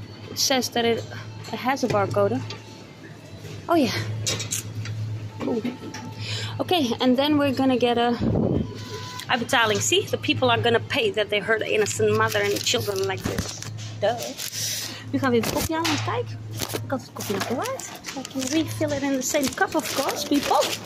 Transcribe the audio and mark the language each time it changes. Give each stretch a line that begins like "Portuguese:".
English: It says that it has a barcode. Oh yeah. Cool. Okay, and then we're gonna get a betaling. See, the people are gonna pay that they hurt an innocent mother and children like this. Duh.
Dutch: Nu gaan we weer de koffie halen, kijk. Ik had het koffie nog bewaard.
English: I can refill it in the same cup, of course, people.